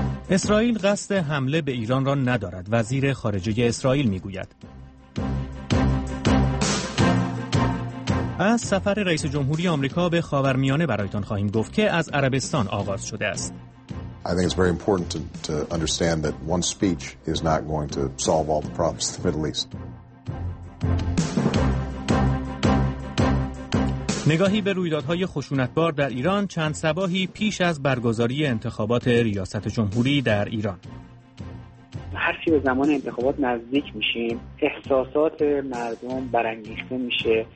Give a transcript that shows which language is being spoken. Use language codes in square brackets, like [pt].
[fa] اسرائیل قصد حمله به ایران را ندارد، وزیر خارجه اسرائیل میگوید. از سفر رئیس جمهوری آمریکا به خاورمیانه برایتان خواهیم گفت که از عربستان آغاز شده است. [en] I think it's very important to understand that one speech is not going to solve all the problems in the Middle East. [fa] نگاهی به رویدادهای خشونتبار در ایران چند سباهی پیش از برگزاری انتخابات ریاست جمهوری در ایران. هر چی به زمان انتخابات نزدیک میشیم، احساسات مردم برانگیخته میشه.